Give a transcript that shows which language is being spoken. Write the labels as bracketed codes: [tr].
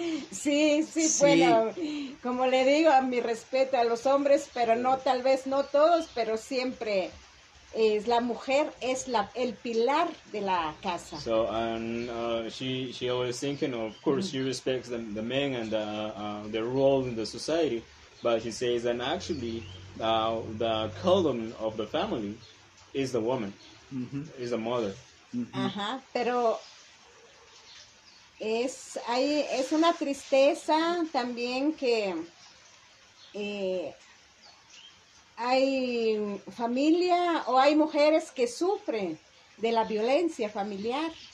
[es] Sí, sí, sí, bueno, como le digo, mi respeto a los hombres, pero no, tal vez no todos, pero siempre es la mujer es el pilar de la casa. [en] So, and she always thinking, of course, mm-hmm. she respects the men and their role in the society, but she says that actually the column of the family is the woman, mm-hmm. is the mother. Mm-hmm. [es] Ajá, pero es una tristeza también que hay familia o hay mujeres que sufren de la violencia familiar.